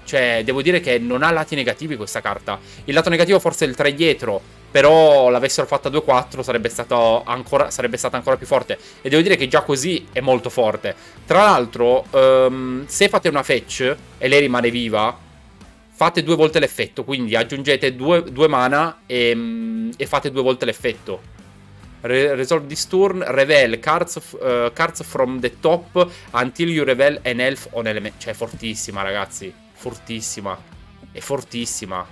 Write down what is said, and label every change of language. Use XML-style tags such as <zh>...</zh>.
<it>Cioè, devo dire che non ha lati negativi questa carta. Il lato negativo forse è il 3 dietro, però l'avessero fatta 2-4 sarebbe stata ancora più forte. E devo dire che già così è molto forte. Tra l'altro, se fate una fetch e lei rimane viva, fate due volte l'effetto. Quindi aggiungete due mana e fate due volte l'effetto.</it> <en>Resolve this turn, reveal cards from the top until you reveal an elf on element.</en> <it>Cioè, fortissima, ragazzi. Fortissima. È fortissima.</it>